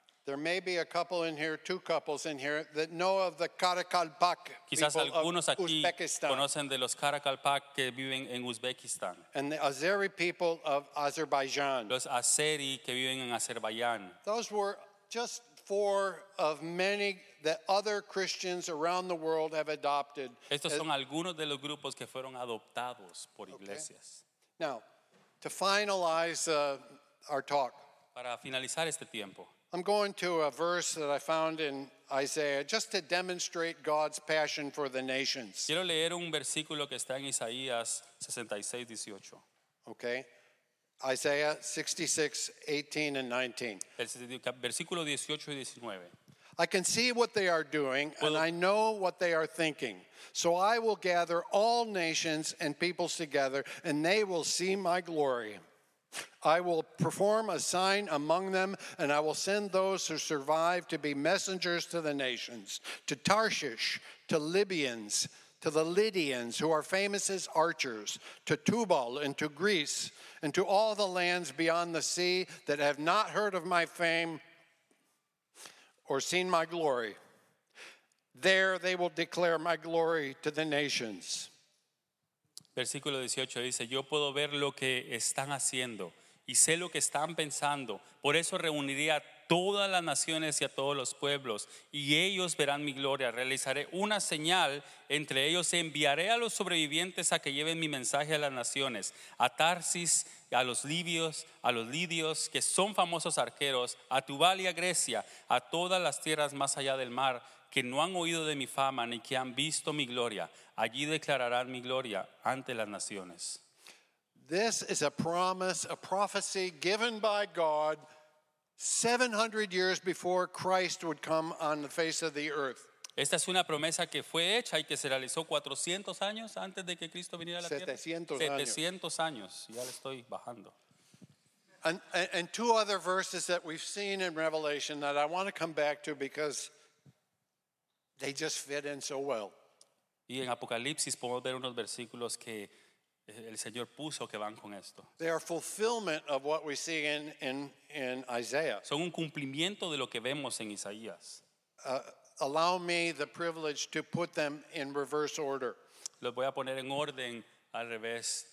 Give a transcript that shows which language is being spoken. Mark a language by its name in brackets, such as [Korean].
[English] There may be a couple in here, two couples in here, that know of the Karakalpak [Spanish] quizás [English] people [Spanish] algunos [English] of Uzbekistan. [Spanish] Aquí conocen de los Karakalpak que viven en Uzbekistan. [English] And the Azeri people of Azerbaijan. [Spanish] Los Azeri que viven en Azerbaijan. [English] Those were just four of many that other Christians around the world have adopted. [Spanish] Estos son algunos de los grupos que fueron adoptados por iglesias. [English] Okay. Now, to finalize our talk. [Spanish] Para finalizar este tiempo. [English] I'm going to a verse that I found in Isaiah just to demonstrate God's passion for the nations. [Spanish] Quiero leer un versículo que está en Isaías 66:18. [English] Okay. Isaiah 66:18-19. [Spanish] Versículo 18 y 19. [English] I can see what they are doing, and I know what they are thinking. So I will gather all nations and peoples together, and they will see my glory. I will perform a sign among them, and I will send those who survive to be messengers to the nations, to Tarshish, to Libyans, to the Lydians, who are famous as archers, to Tubal and to Greece, and to all the lands beyond the sea that have not heard of my fame or seen my glory. There they will declare my glory to the nations. [Spanish] Versículo 18 dice, yo puedo ver lo que están haciendo y sé lo que están pensando. Por eso reuniré a todas las naciones y a todos los pueblos y ellos verán mi gloria. Realizaré una señal entre ellos. Enviaré a los sobrevivientes a que lleven mi mensaje a las naciones. A Tarsis, a los lidios que son famosos arqueros, a Tubal y a Grecia, a todas las tierras más allá del mar que no han oído de mi fama ni que han visto mi gloria. Allí declararán mi gloria ante las naciones. [English] This is a promise, a prophecy given by God 700 years before Christ would come on the face of the earth. [Spanish] Esta es una promesa que fue hecha y que se realizó 400 años antes de que Cristo viniera a la tierra. 700 años. Ya le estoy bajando. [English] And two other verses that we've seen in Revelation that I want to come back to because they just fit in so well. [Spanish] Y en Apocalipsis podemos ver unos versículos que el Señor puso que van con esto. [English] They are fulfillment of what we see in Isaiah. [Spanish] Son un cumplimiento de lo que vemos en Isaías. [English] Allow me the privilege to put them in reverse order. [Spanish] Los voy a poner en orden al revés.